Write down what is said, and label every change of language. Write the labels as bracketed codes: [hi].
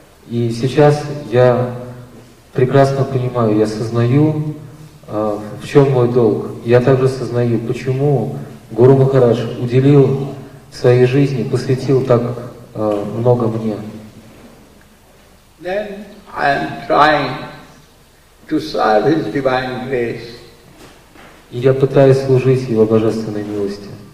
[ru] И сейчас я прекрасно понимаю, я сознаю, в чем мой долг? Я также сознаю, почему Гуру Махарадж уделил своей жизни, посвятил так много мне. [en] Then I am trying to serve His divine grace. [ru] И я пытаюсь служить Его божественной милости.